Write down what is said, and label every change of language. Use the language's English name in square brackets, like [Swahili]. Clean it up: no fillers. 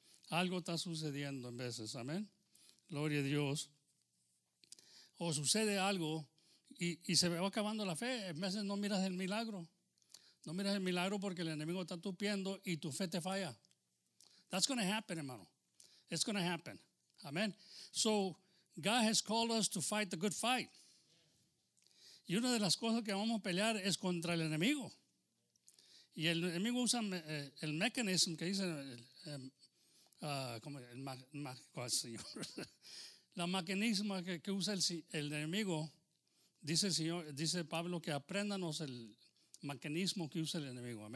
[Spanish] Algo está sucediendo en veces. Amén. Gloria a Dios. O sucede algo y se va acabando la fe. En veces no miras el milagro. No miras el milagro porque el enemigo está tupiendo y tu fe te falla. [English] That's going to happen, [Spanish] hermano. [English] It's going to happen. Amen. So, God has called us to fight the good fight. [Spanish] Y una de las cosas que vamos a pelear es contra el enemigo. Y el enemigo usa el mecanismo que dice la mecanismo que usa el enemigo, dice el Señor, dice Pablo, que apréndanos el mecanismo que usa el enemigo.